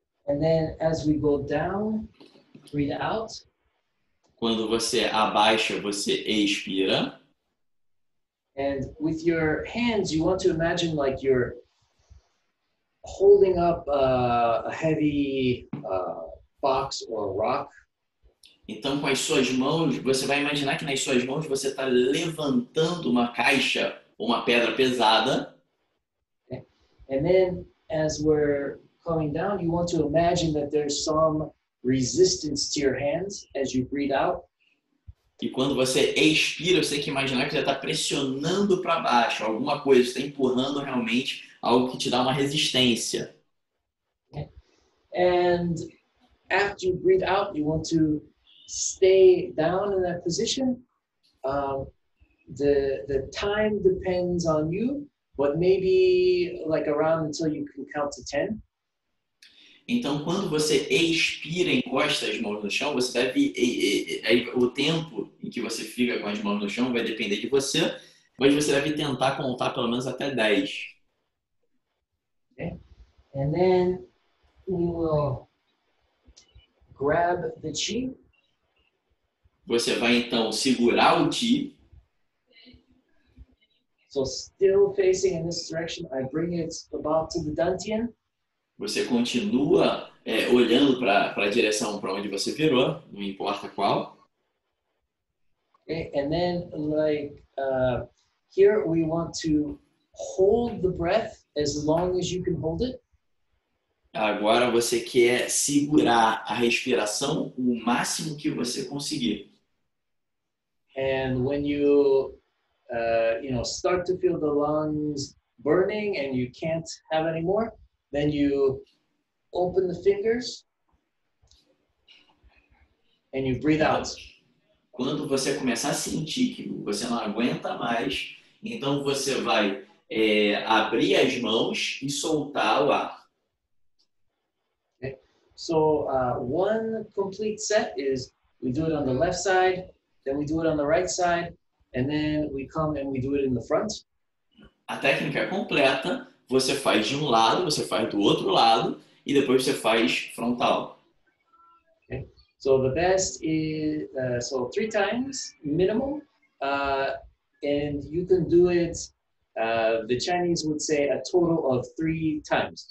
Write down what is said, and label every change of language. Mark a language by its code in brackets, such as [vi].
[en] And then as we go down, breathe out. [pt] Quando você abaixa, você expira. [en] And with your hands, you want to imagine like you're holding up a heavy box or a rock. [pt] Então, com as suas mãos, você vai imaginar que nas suas mãos você está levantando uma caixa ou uma pedra pesada. [en] Okay. And then, as we're coming down, you want to imagine that there's some resistance to your hands as you breathe out. [pt] E quando você expira, você tem que imaginar que você está pressionando para baixo alguma coisa, você está empurrando realmente algo que te dá uma resistência. [en] And after you breathe out, you want to stay down in that position. The time depends on you, but maybe like around until you can count to 10. [pt] Então, quando você expira, encosta as mãos no chão, você deve o tempo em que você fica com as mãos no chão vai depender de você, mas você deve tentar contar pelo menos até 10. [en] Okay. And then we will grab the chi. [pt] Você vai então segurar o chi. [en] So still facing in this direction, I bring it about to the dantian. [pt] Você continua olhando para a direção para onde você virou, não importa qual. [en] Okay. And then like here we want to hold the breath as long as you can hold it. [pt] Agora você quer segurar a respiração o máximo que você conseguir. [en] And when you start to feel the lungs burning and you can't have any more, then you open the fingers and you breathe out. [pt] Quando você começar a sentir que você não aguenta mais, então você vai abrir as mãos e soltar o ar. [en] Okay. So, one complete set is we do it on the left side, then we do it on the right side, and then we come and we do it in the front. [pt] A técnica completa, você faz de um lado, você faz do outro lado, e depois você faz frontal. [en] Okay. So the best is, so three times minimum, and you can do it, the Chinese would say a total of three times.